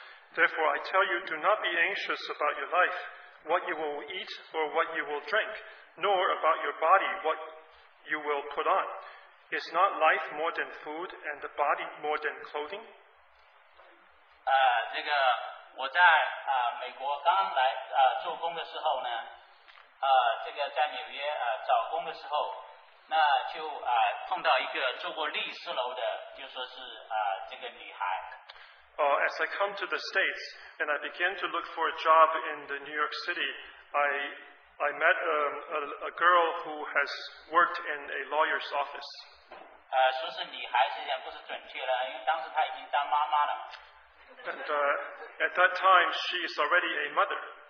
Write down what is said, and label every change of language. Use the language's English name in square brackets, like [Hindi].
[English] Therefore, I tell you, do not be anxious about your life, what you will eat or what you will drink, nor about your body, what you will put on. Is not life more than food, and the body more than clothing? [Chinese] 这个我在美国刚来做工的时候呢，这个在纽约找工的时候，那就碰到一个住过律师楼的，就说是这个女孩。 [English] As I come to the States and I began to look for a job in the New York City, I met a girl who has worked in a lawyer's office. [Chinese] 说是女孩子也不是准确了，因为当时她已经当妈妈了。 [English] And at that time she is already a mother.